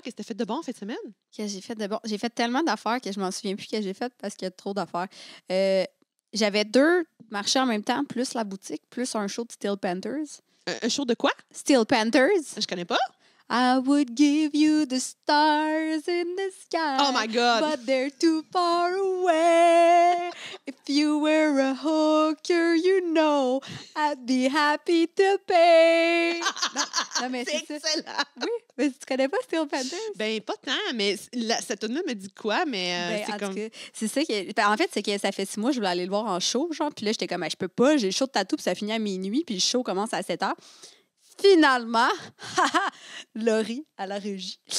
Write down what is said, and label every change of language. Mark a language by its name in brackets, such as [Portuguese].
[French] Qu'est-ce que t'as fait de bon cette semaine? Que j'ai fait de bon? J'ai fait tellement d'affaires que je m'en souviens plus que j'ai fait parce qu'il y a trop d'affaires. J'avais deux marchés en même temps, plus la boutique, plus un show de Steel Panthers. Un show de quoi? Steel Panthers. Je connais pas. [English] I would give you the stars in the sky. Oh my God. But they're too far away. If you were a hooker, you know, I'd be happy to pay. [French] Non, mais c'est excellent. Oui, mais tu connais pas Steel Panthers? Ben, pas tant, mais là, cette tune-là me dit quoi, mais c'est comme... C'est ça qui... En fait, c'est que ça fait 6 mois, je voulais aller le voir en show, genre. Puis là, j'étais comme, je peux pas, j'ai le show de tattoo, puis ça finit à minuit, puis le show commence à 7 heures. Finalement, Laurie à la régie.